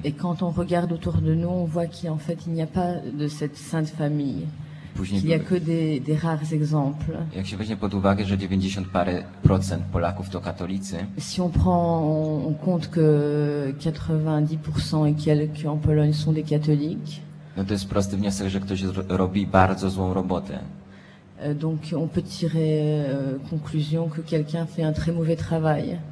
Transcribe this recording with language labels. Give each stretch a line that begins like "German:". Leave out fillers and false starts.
French: Et quand on regarde autour de nous, on voit qu'en fait il n'y a pas de cette sainte famille. Il n'y a que des rares exemples.
Polish: Jak się weźmie pod uwagę, że 90% Polaków to katolicy.
French: Si on prend en compte que 90% et quelques en Pologne sont des catholiques.
Polish: No to jest prosty wniosek, że ktoś robi bardzo złą robotę.
French: Donc on peut tirer conclusion que quelqu'un fait un très mauvais travail.